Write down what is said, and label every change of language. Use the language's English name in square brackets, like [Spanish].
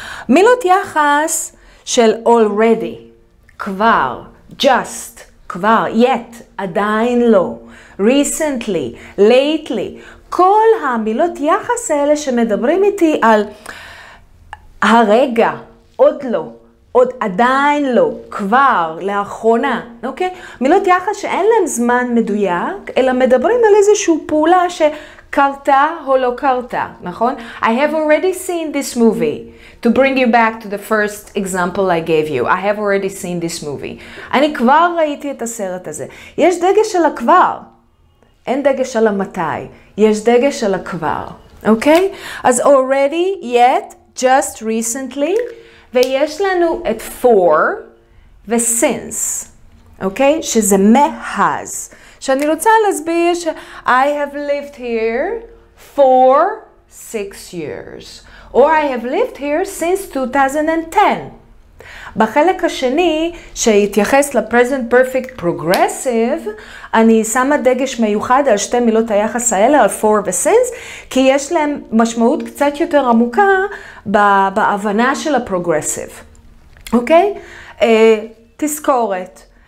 [Hebrew] מילות יחס של already, כבר, just, כבר, yet, עדיין לא, recently, lately, כל המילות יחס האלה שמדברים איתי על הרגע, עוד לא, עוד עדיין לא, כבר, לאחרונה, אוקיי? מילות יחס שאין להם זמן מדויק, אלא מדברים על איזושהי פעולה שקרתה או לא קרתה, נכון? [English] I have already seen this movie, to bring you back to the first example I gave you. I have already seen this movie. [Hebrew] אני כבר ראיתי את הסרט הזה. יש דגש על הכבר. אין דגש על המתי. יש דגש על הכבר, אוקיי? אז already, yet, just recently, ויש לנו את for וsince, אוקיי? שזה מאז. שאני רוצה להסביר ש- [English] I have lived here for 6 years. Or I have lived here since 2010. [Hebrew] בחלק השני, שהתייחס ל-present perfect progressive, אני שמה דגש מיוחד על שתי מילות היחס האלה, על for וsince, כי יש להם משמעות קצת יותר עמוקה בהבנה של הפרוגרסיב. אוקיי? תזכורת.